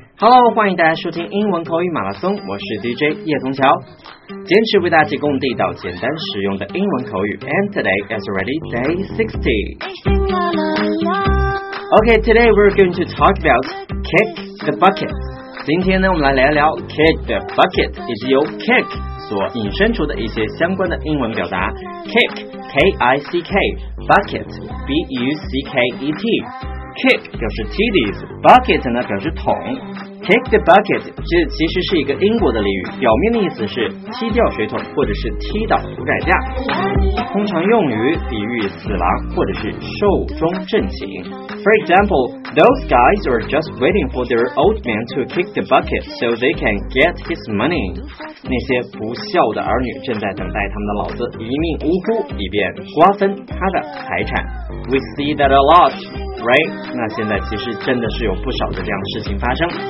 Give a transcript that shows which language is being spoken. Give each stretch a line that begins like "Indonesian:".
Chinese: Hello, 欢迎大家收听英文口语马拉松，我是 DJ 叶童桥，坚持为大家提供地道、简单、实用的英文口语。
English: And today is already day 60. Okay, today we're going to talk about kick the bucket.
Chinese: 今天呢，我们来聊聊 kick the bucket， 以及由 kick 所引申出的一些相关的英文表达。
English: Kick, K-I-C-K, bucket, B-U-C-K-E-T.
Chinese: Kick 表示踢的意思， Bucket 呢表示桶。Kick the bucket 这其实是一个英国的俚语，表面的意思是踢掉水桶或者是踢倒锅盖架，通常用于比喻死亡或者是寿终正寝。
English: For example, those guys are just waiting for their old man to kick the bucket so they can get his money.
Chinese: 那些不孝的儿女正在等待他们的老子一命呜呼，以便瓜分他的财产。
English: We see that a lot. Right?
Chinese: 那现在其实真的是有不少的这样的事情发生。